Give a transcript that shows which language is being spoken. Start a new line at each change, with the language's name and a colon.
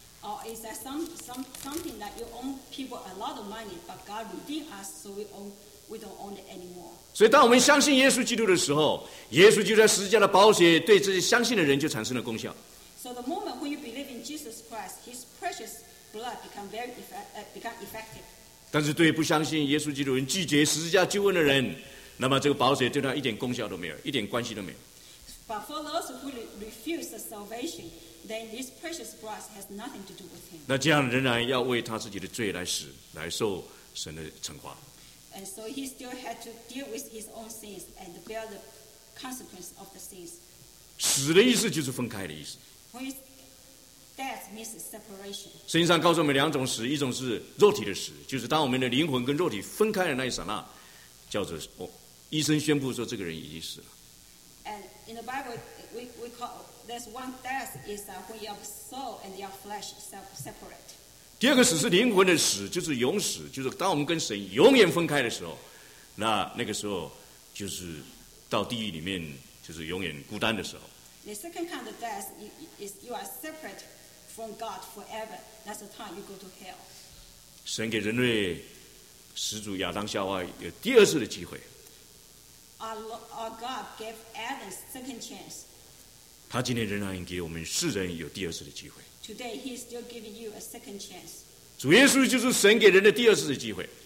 English: Or is that something that you owe people a lot of money, but God redeemed us, so we don't own it anymore?
Chinese: 所以当我们相信耶稣基督的时候，耶稣就在十字架的宝血对这些相信的人就产生了功效。
English: So the moment when you believe in Jesus Christ, His precious blood become effective.
Chinese: 但是对不相信耶稣基督人拒绝十字架救恩的人，那么这个宝血对他一点功效都没有，一点关系都没有。
English: But for those who refuse the salvation, then this precious blood has nothing to do with him.
Chinese: 那这样仍然要为他自己的罪来死，来受神的惩罚。
English: And so he still had to deal with his own sins and bear the consequence of the sins.
Chinese: 死的意思就是分开的意思。
English: Death means separation.
Chinese: 圣经上告诉我们两种死，一种是肉体的死，就是当我们的灵魂跟肉体分开的那一刹那，叫做医生宣布说这个人已经死了。
English: And in the Bible, we call there's one death is that when your soul and your flesh separate.
Chinese: 第二个死是灵魂的死，就是永死，就是当我们跟神永远分开的时候，那个时候就是到地狱里面，就是永远孤单的时候。
English: The second kind of death is you are separate from God forever. That's the time you go to hell.
Chinese: 神给人类始祖亚当夏娃有第二次的机会。
English: Our God gave Adam second chance.
Chinese: 他今天仍然给我们世人有第二次的机会。
English: Today He is still giving you a second chance.
Chinese: 主耶稣就是神给人的第二次的机会。